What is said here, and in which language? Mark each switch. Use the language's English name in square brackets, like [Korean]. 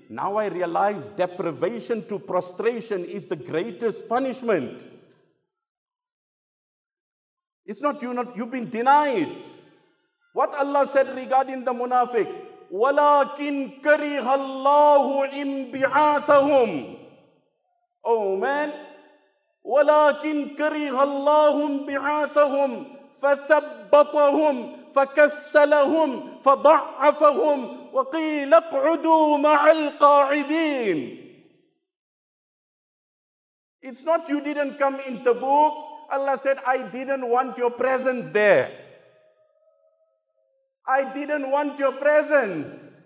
[English] Now I realize deprivation to prostration is the greatest punishment. It's not you, not you've been denied. What Allah said regarding the munafiq, [Arabic] وَلَكِنْ كَرِهَ اللَّهُ إِنْبِعَاثَهُمْ. [English] Oh man, [Arabic] وَلَكِنْ كَرِهَ اللَّهُ إِنْبِعَاثَهُمْ فَثَبَّطَهُمْ فكسلهم فضعفهم وقيل اقعدوا مع القاعدين. [English] It's not you didn't come in Tabuk. Allah said, I didn't want your presence there. I didn't want your presence.